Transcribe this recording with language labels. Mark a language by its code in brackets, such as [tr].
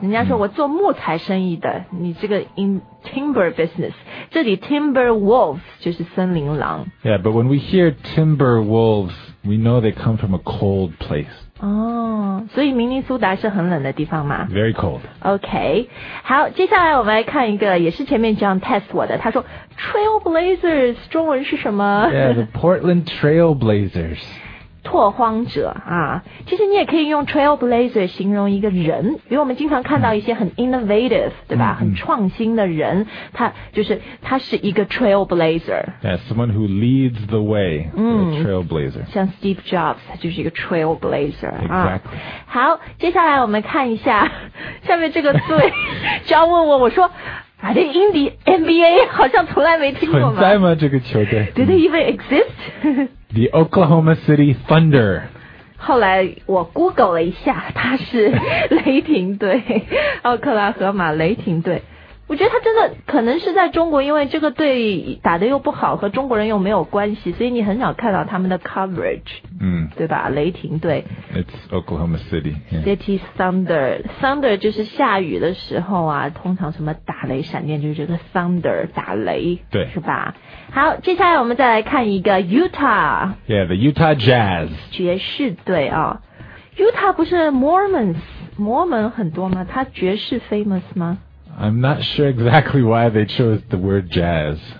[zh] 人家说我做木材生意的，你这个 in timber business， 这里 Timberwolves 就是森林狼。 [en] Yeah， but when we hear Timberwolves， we know they come from a cold place。 [zh] 哦，所以明尼苏达是很冷的地方吗 [en] ？Very cold。 [zh] OK， 好，接下来我们来看一个，也是前面这样 test 我的，他说 Trailblazers 中文是什么 [en] ？Yeah， the Portland Trailblazers。 [zh] 拓荒者啊，其实你也可以用 trailblazer 形容一个人，比如我们经常看到一些很 innovative， 对吧？很创新的人，他就是他是一个 trailblazer。 [en] Yeah, someone who leads the way, trailblazer。 [zh] 像 Steve Jobs， 他就是一个 trailblazer。 [en] Exactly。 [zh] 好，接下来我们看一下下面这个队，就要问我说。 [en] Are they in the NBA? [zh] 好像从来没听过吗？存在吗？这个球队 [en] ？Do they even exist? The Oklahoma City Thunder. [zh] 后来我 Google 了一下，它是雷霆队，奥克拉荷马雷霆队。我觉得他真的可能是在中国，因为这个队打得又不好，和中国人又没有关系，所以你很少看到他们的 coverage、对吧，雷霆队 [en] It's Oklahoma City、 [zh] City Thunder Thunder 就是下雨的时候啊，通常什么打雷闪电就是这个 Thunder 打雷，对，是吧。好，接下来我们再来看一个 Utah [en] Yeah, the Utah Jazz [zh] 爵士队啊、哦、Utah 不是 Mormons 摩门很多吗，他爵士 famous 吗， [en] I'm not sure exactly why they chose the word jazz.